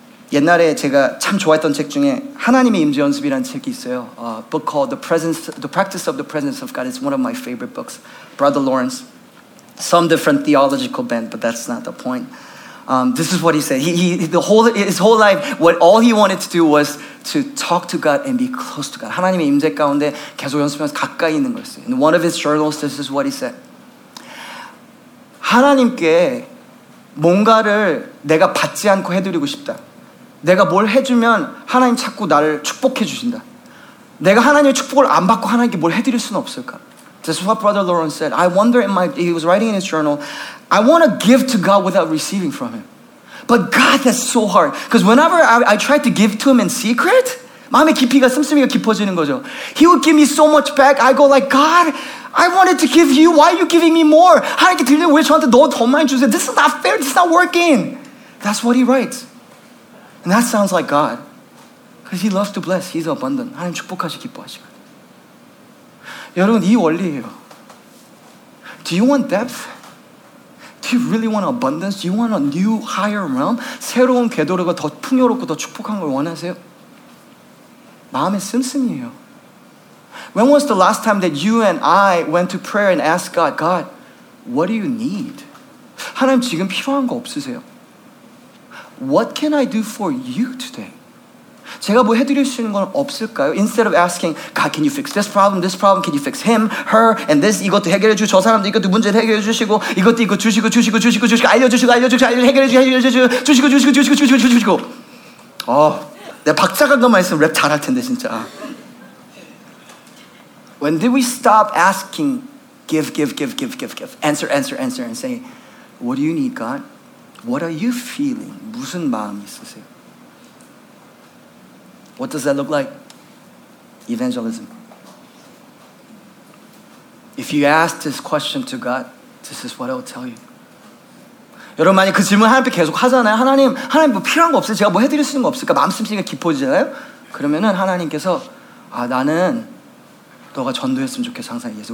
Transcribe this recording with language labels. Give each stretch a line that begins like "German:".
Korean: 옛날에 제가 참 좋아했던 책 중에 하나님의 임재 연습이라는 책이 있어요.
English: Book called The Practice of the Presence of God. It's one of my favorite books. Brother Lawrence, some different theological bent, but that's not the point. This is what he said. His whole life, what all he wanted to do was to talk to God and be close to God.
Korean: 하나님의 임재 가운데 계속 연습하면서 가까이 있는 거였어요.
English: In one of his journals, this is what he said.
Korean: 하나님께 뭔가를 내가 받지 않고 해드리고 싶다. 내가 뭘 해주면 하나님 자꾸 나를 축복해 주신다. 내가 하나님의 축복을 안 받고 하나님께 뭘 해드릴 수는 없을까?
English: This is what Brother Lawrence said. He was writing in his journal, I want to give to God without receiving from him. But God, that's so hard. Because whenever I tried to give to him in secret,
Korean: 마음의 깊이가 씀씀이가 깊어지는 거죠.
English: He would give me so much back. I go like, God, I wanted to give you. Why are you giving me more?
Korean: 하나님께 드리려고 왜 저한테 너 더 많이 주세요?
English: This is not fair. This is not working. That's what he writes. And that sounds like God. Because he loves to bless. He's abundant.
Korean: 하나님 축복하시기 기뻐하시고. 여러분 이 원리예요.
English: Do you want depth? Do you really want abundance? Do you want a new higher realm?
Korean: 새로운 궤도로가 더 풍요롭고 더 축복한 걸 원하세요? 마음에 씀씀이에요.
English: When was the last time that you and I went to prayer and asked God, God, what do you need?
Korean: 하나님 지금 필요한 거 없으세요?
English: What can I do for you today?
Korean: 제가 뭐 해드릴 수 있는 건 없을까요?
English: Instead of asking, God, can you fix this problem, can you fix him, her, and this,
Korean: 이것도 해결해 주시고, 저 사람도 이것도 문제를 해결해 주시고, 이것도 이거 주시고, 주시고, 주시고, 주시고, 알려주시고, 알려주시고, 해결해 주시고. 내 박자감만 있으면 랩 잘할 텐데, 진짜.
English: When did we stop asking, give, answer, and say, what do you need, God? What are you feeling?
Korean: 무슨 마음이 있으세요?
English: What does that look like? Evangelism. If you ask this question to God, this is what I will tell you.
Korean: 여러분 만약 그 질문 하나님께 계속 하잖아요. 하나님 뭐 필요한 거 없어요? 제가 뭐 해드릴 수 있는 거 없을까? 마음 씀씀이가 깊어지잖아요. 그러면은 하나님께서 아 나는 너가 전도했으면 좋겠어 항상 얘기해서